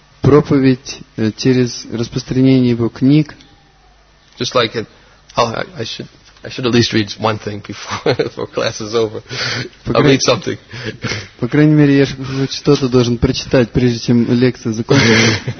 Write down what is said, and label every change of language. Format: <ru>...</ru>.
<ru>Проповедь через распространение его книг.</ru> <en>Just like I should at least read one thing before class is over. I'll read something.</en> <ru>По крайней мере, я что-то должен прочитать, прежде чем лекция закончится.</ru>